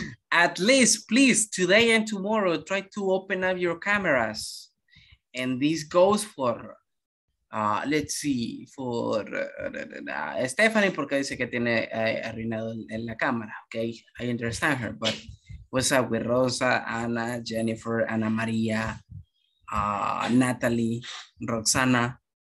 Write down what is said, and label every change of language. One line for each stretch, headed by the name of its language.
English: At least, please, today and tomorrow, try to open up your cameras. And this goes for... let's see, for Stephanie,
Spanish: porque dice que tiene arruinado en la cámara, okay?
English: I understand her, but what's up with Rosa, Ana, Jennifer, Ana Maria, Natalie, Roxana?